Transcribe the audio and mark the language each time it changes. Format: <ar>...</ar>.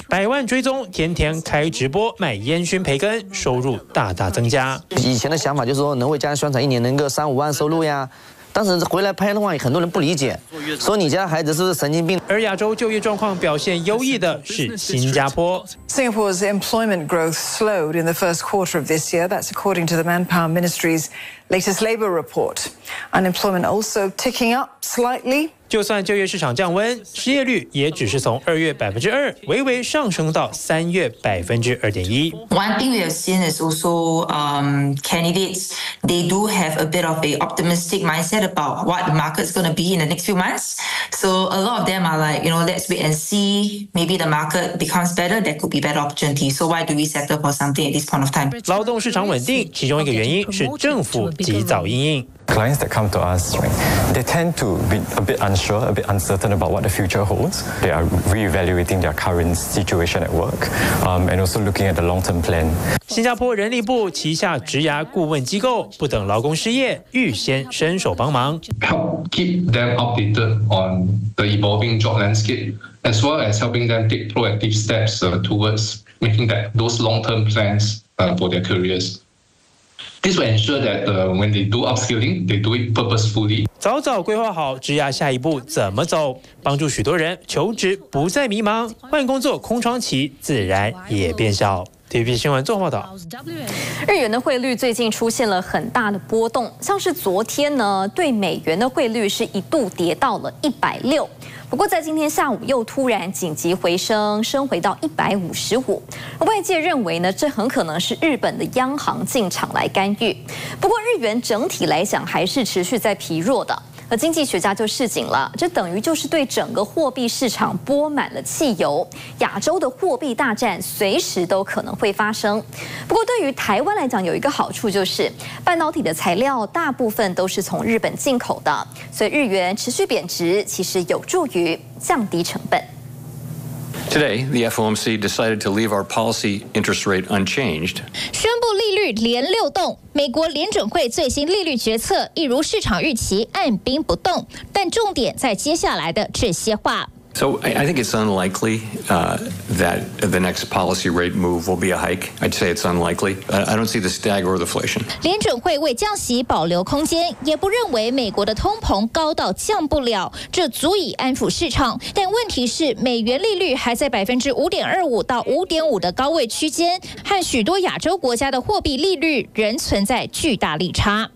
<zh>百万追踪，天天开直播卖烟熏培根，收入大大增加。以前的想法就是说能为家人宣传，一年能个3-5万收入呀，但是回来拍的话很多人不理解，说你家孩子是神经病。而亚洲就业状况表现优异的是新加坡。</zh> <en>Singapore's employment growth slowed in the first quarter of this year. That's according to the Manpower Ministry's latest labor report. Unemployment also ticking up slightly.</en> <zh>就算就业市场降温，失业率也只是从2月2%微微上升到3月2.1%。</zh> <en>One thing we have seen is also candidates, they do have a bit of an optimistic mindset about what the market's going to be in the next few months. So a lot of them are like, you know, let's wait and see. Maybe the market becomes better, there could be better opportunity. So why do we settle for something at this point of time?</en> <zh>劳动市场稳定，其中一个原因是政府及早因应。</zh> <en>Clients that come to us, right, they tend to be a bit unsure, a bit uncertain about what the future holds. They are reevaluating their current situation at work, and also looking at the long-term plan.</en> <zh>新加坡人力部旗下职涯顾问机构不等劳工失业，预先伸手帮忙。</zh> <en>Help keep them updated on the evolving job landscape, as well as helping them take proactive steps towards making that those long-term plans for their careers. This will ensure that when they do upskilling, they do it purposefully.</en> <zh>早早规划好职涯下一步怎么走，帮助许多人求职不再迷茫，换工作空窗期自然也变小。 TVB 新闻做报道。日元的汇率最近出现了很大的波动，像是昨天呢，对美元的汇率是一度跌到了160，不过在今天下午又突然紧急回升，升回到155。外界认为呢，这很可能是日本的央行进场来干预。不过日元整体来讲还是持续在疲弱的。而经济学家就示警了，这等于就是对整个货币市场泼满了汽油，亚洲的货币大战随时都可能会发生。不过对于台湾来讲，有一个好处，就是半导体的材料大部分都是从日本进口的，所以日元持续贬值其实有助于降低成本。</zh> <en>Today, the FOMC decided to leave our policy interest rate unchanged.</en> <zh>宣布利率连六动，美国联准会最新利率决策一如市场预期按兵不动，但重点在接下来的这些话。</zh> <en>So I think it's unlikely that the next policy rate move will be a hike. I'd say it's unlikely. I don't see the stag or the inflation.</en> <zh>联准会为降息保留空间，也不认为美国的通膨高到降不了，这足以安抚市场。但问题是，美元利率还在5.25%到5.5%的高位区间，和许多亚洲国家的货币利率仍存在巨大利差。</zh>